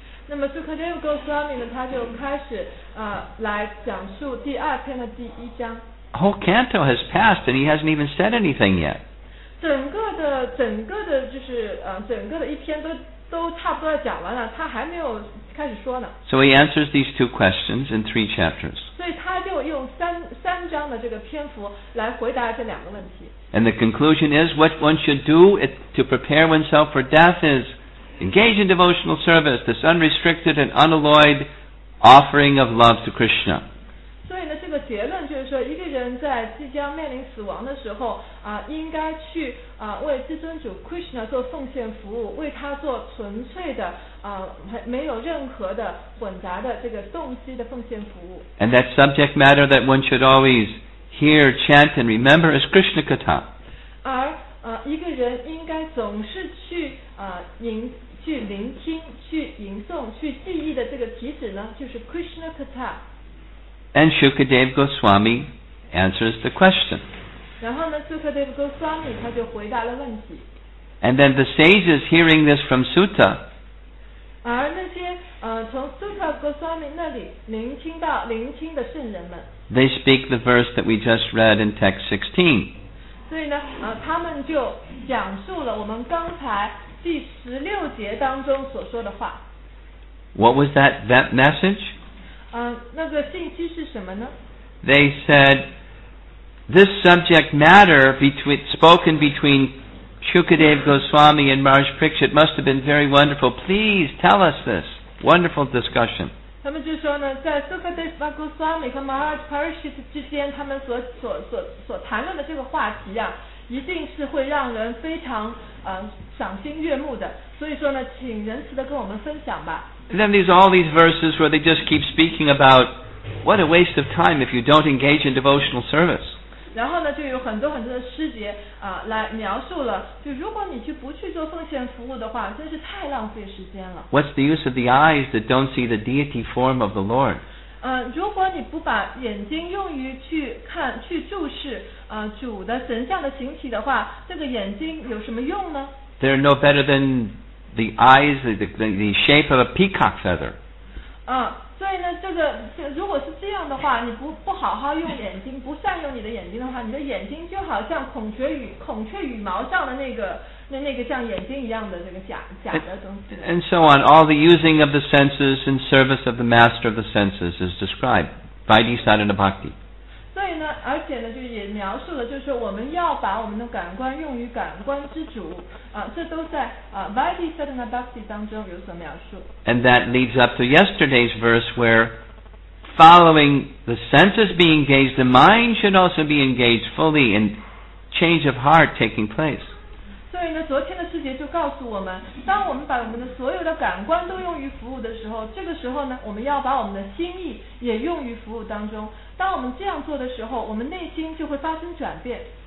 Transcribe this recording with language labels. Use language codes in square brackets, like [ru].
[zh] 那么 Sukadeva Goswami 呢，他就开始来讲述第二篇的第一章。 [en] Whole canto has passed, and he hasn't even said anything yet. [zh] 整个的就是整个的一篇都差不多要讲完了，他还没有开始说呢。 [en] So he answers these two questions in three chapters. [zh] 所以他就用三章的这个篇幅来回答这两个问题。 [en] And the conclusion is, what one should do to prepare oneself for death is engage in devotional service, this unrestricted and unalloyed offering of love to Krishna. [zh] 所以呢，这个结论就是说，一个人在即将面临死亡的时候应该去为至尊主 Krishna 做奉献服务，为他做纯粹的没有任何的混杂的这个动机的奉献服务。 [en] And that subject matter that one should always hear, chant, and remember is Krishna Katha. [zh] 而一个人应该总是去聆听、去吟诵、去记忆的这个题旨呢，就是 Krishna Katha. [en] And Sukadeva Goswami answers the question. [zh] 然后呢 ，Sukadeva Goswami 他就回答了问题。 [en] And then the sages hearing this from Sutta. [zh] 而那些从 Sutta Goswami 那里聆听的圣人们。 [en] They speak the verse that we just read in text 16. [zh] 所以呢，他们就讲述了我们刚才第十六节当中所说的话。 [en] What was that message? [zh] 那个信息是什么呢？ [en] They said, this subject matter spoken between Sukadeva Goswami and Maharaj Parikshit must have been very wonderful. Please tell us this. Wonderful discussion. [zh] 他们就说呢，在 Sukadeva Goswami 和 Maharaj Parikshit 之间，他们所谈论的这个话题啊，一定是会让人非常赏心悦目的。所以说呢，请仁慈的跟我们分享吧。 [en] And then there's all these verses where they just keep speaking about what a waste of time if you don't engage in devotional service. [zh] 然后呢，就有很多很多的师姐来描述了，就如果你去不去做奉献服务的话，真是太浪费时间了。 [en] What's the use of the eyes that don't see the deity form of the Lord? [zh] 如果你不把眼睛用于去看、去注视主的神像的形体的话，这个眼睛有什么用呢？ [en] They're no better than the eyes, the shape of a peacock feather. [zh] 所以呢，如果是这样的话，你不好好用眼睛，不善用你的眼睛的话，你的眼睛就好像孔雀羽毛上的那个像眼睛一样的这个假的东西。 [en] And so on, all the using of the senses in service of the master of the senses is described by Desadana Bhakti. [zh] 所以呢，而且呢，就也描述了，就是我们要把我们的感官用于感官之主。这都在Vaidisadana Bhakti 当中有所描述。 [en] And that leads up to yesterday's verse where following the senses being engaged, the mind should also be engaged fully in change of heart taking place. [zh] 所以呢，昨天的师姐就告诉我们，当我们把我们的所有的感官都用于服务的时候，这个时候呢，我们要把我们的心意也用于服务当中。当我们这样做的时候，我们内心就会发生转变。